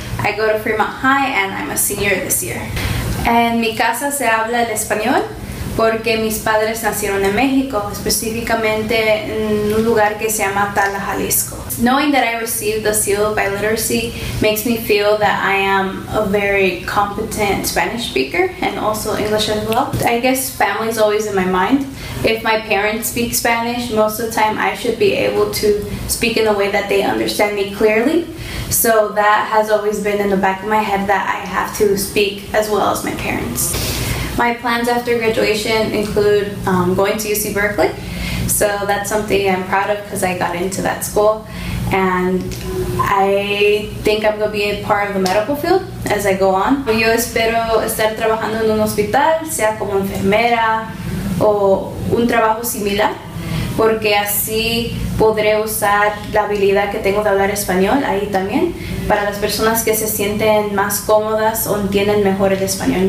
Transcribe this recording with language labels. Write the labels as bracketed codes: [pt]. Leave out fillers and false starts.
[en] I go to Fremont High and I'm a senior this year. [es] En mi casa se habla el español porque mis padres nacieron en México, específicamente en un lugar que se llama Tala, Jalisco. [en] Knowing that I received the seal of biliteracy makes me feel that I am a very competent Spanish speaker and also English as well. I guess family is always in my mind. If my parents speak Spanish, most of the time I should be able to speak in a way that they understand me clearly. So that has always been in the back of my head that I have to speak as well as my parents. My plans after graduation include going to UC Berkeley. So that's something I'm proud of because I got into that school. And I think I'm going to be a part of the medical field as I go on. [es] Yo espero estar trabajando en un hospital, sea como enfermera o un trabajo similar, porque así podré usar la habilidad que tengo de hablar español ahí también para las personas que se sienten más cómodas o entienden mejor el español.